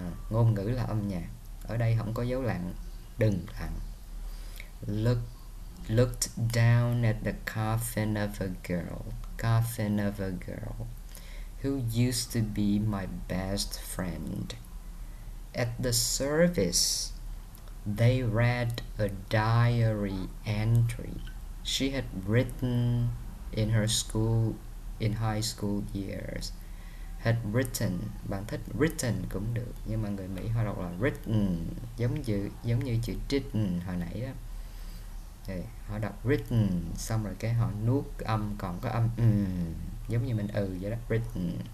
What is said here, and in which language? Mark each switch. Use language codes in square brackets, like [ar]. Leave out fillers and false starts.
[vi] Ngôn ngữ là âm nhạc, ở đây không có dấu lặng, đừng lặng. [en] Looked down at the coffin of a girl, coffin of a girl, who used to be my best friend. At the service, they read a diary entry she had written in her school, in high school years. Had written, [vi] bạn thích written cũng được, nhưng mà người Mỹ họ đọc là written, giống như chữ didn't hồi nãy á. Okay. Họ đọc written, xong rồi cái họ nuốt âm, còn có âm giống như mình vậy đó, written.